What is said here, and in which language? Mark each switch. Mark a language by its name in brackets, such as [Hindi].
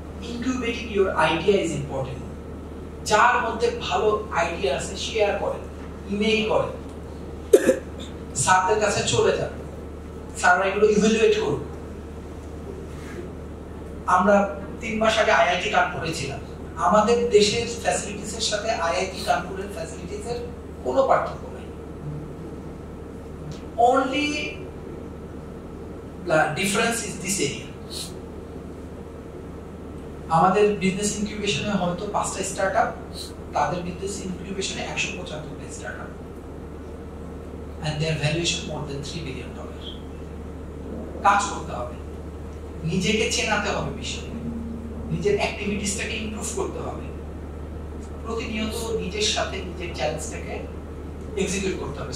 [English] incubating your idea is important, [Bangla] যার মধ্যে ভালো আইডিয়া আছে শেয়ার করে, ইমেইল করে, স্যারের কাছে চলে যান, স্যাররা এগুলো ইভ্যালুয়েট করুক। আমরা 3 মাস আগে আইআইটি কানপুরে ছিলাম, আমাদের দেশের ফ্যাসিলিটিস এর সাথে আইআইটি কানপুরের ফ্যাসিলিটিস এর কোনো পার্থক্য নেই। [English] only difference is this area. [Bangla] আমাদের বিজনেস ইনকিউবেশনে হয়তো 5টা স্টার্টআপ, তাদের business ইনকিউবেশনে 175টা startup [English] and their valuation more than $3 billion. [Bangla] কাজ করতে হবে, নিজেকে চেনাতে হবে বিশ্বে, নিজের অ্যাক্টিভিটিসটাকে ইমপ্রুভ করতে হবে, প্রতিনিয়ত নিজের সাথে নিজের চ্যালেঞ্জটাকে এক্সিকিউট করতে হবে.